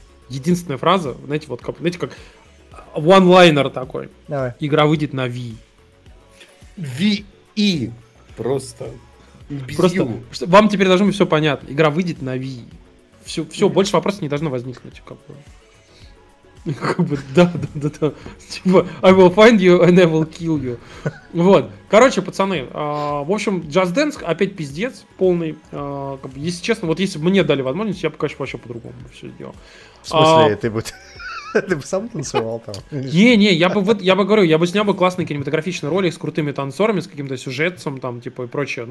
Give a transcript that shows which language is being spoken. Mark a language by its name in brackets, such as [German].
[Russian] Единственная фраза, знаете, вот как, знаете, как one-liner такой. Давай. Игра выйдет на Wii. Wii. Просто. Просто. Что, вам теперь должно быть все понятно. Игра выйдет на Wii. Все, все больше вопросов не должно возникнуть. Как бы. Как бы, да. Типа, [English] I will find you and I will kill you. [Russian] Вот. Короче, пацаны, в общем, Just Dance опять пиздец полный. Как бы, если честно, вот если бы мне дали возможность, я бы, конечно, вообще по-другому все сделал. В смысле, ты бы сам танцевал там? Не-не, я бы снял бы классный кинематографичный ролик с крутыми танцорами, с каким-то сюжетцем там, типа, и прочее.